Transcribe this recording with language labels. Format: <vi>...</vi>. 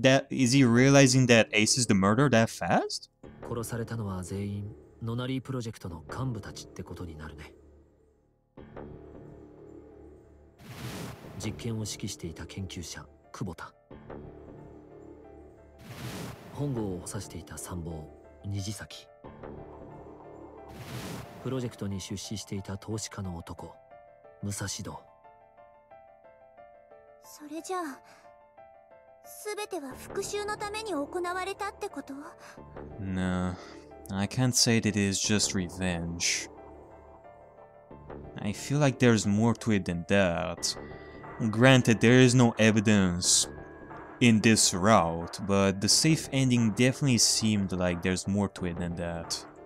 <en>Is he realizing that Ace is the murderer that fast?</en> <ja>殺されたのは全員ノナリープロジェクトの幹部たちってことになるね。実験を指揮していた研究者久保田、本郷を指していた参謀虹崎、プロジェクトに出資していた投資家の男武蔵堂。それじゃあ全ては復讐のために行われたってこと？</ja> <en>No, I can't say that it is just revenge. I feel like there's more to it than that. Granted, there is no evidence in this route, but the safe ending definitely seemed like there's more to it than that.</en>